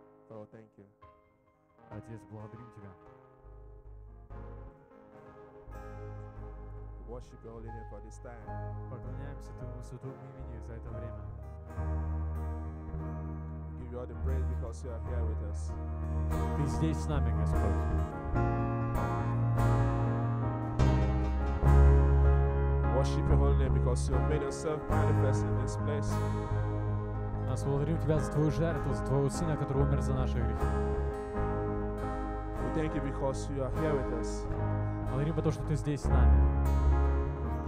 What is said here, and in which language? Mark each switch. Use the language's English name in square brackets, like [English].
[English] Oh, thank you. [Russian] Отец, благодарим тебя. [English] Worship your holy name for this time. [Russian] Поклоняемся твоему святому имени за это время. [English] Give you all the praise because you are here with us. [Russian] Ты здесь с нами, Господь. [English] Worship your holy name because you have made yourself manifest in this place. [Russian] Нас благодарим тебя за твою жертву, за твоего сына, который умер за наши грехи. [English] We thank you because you are here with us. [Russian] Благодарим за то, что ты здесь с нами.